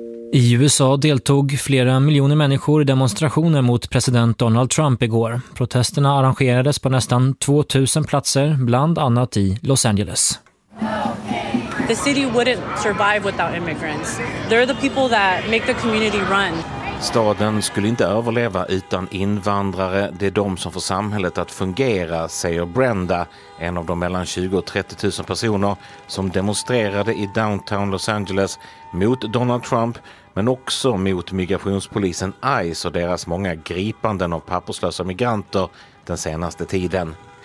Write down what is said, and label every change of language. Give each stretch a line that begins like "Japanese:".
Swedish: I USA deltog flera miljoner människor i demonstrationer mot president Donald Trump igår. Protesterna arrangerades på nästan 2000 platser, bland annat i Los Angeles.
English: The city wouldn't survive without immigrants. They're the people that make the community run.
Swedish: Staden skulle inte överleva utan invandrare. Det är de som får samhället att fungera, säger Brenda, en av de mellan 20 och 30 000 personer som demonstrerade i downtown Los Angeles mot Donald Trump, men också mot migrationspolisen ICE och deras många gripanden av papperslösa migranter den senaste tiden.